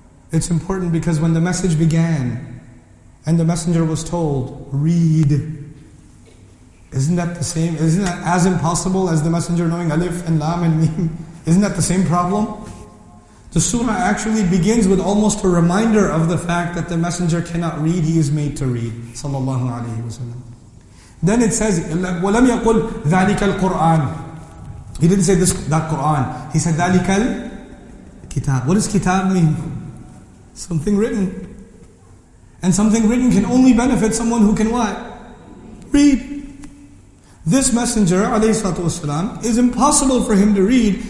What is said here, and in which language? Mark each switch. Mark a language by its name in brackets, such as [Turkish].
[English] It's important because when the message began and the messenger was told, read, isn't that the same? Isn't that as impossible as the messenger knowing alif and lam and mim? Isn't that the same problem? The surah actually begins with almost a reminder of the fact that the messenger cannot read, he is made to read. Sallallahu alayhi wa sallam. Then it says, [Arabic] وَلَمْ يَقُلْ ذَلِكَ الْقُرْآنِ. [English] He didn't say that Qur'an. He said, [Arabic] ذَلِكَ الْكِتَابِ. [English] What does kitab mean? Something written. And something written can only benefit someone who can what? Read. This messenger, alayhi salatu wasalam, is impossible for him to read.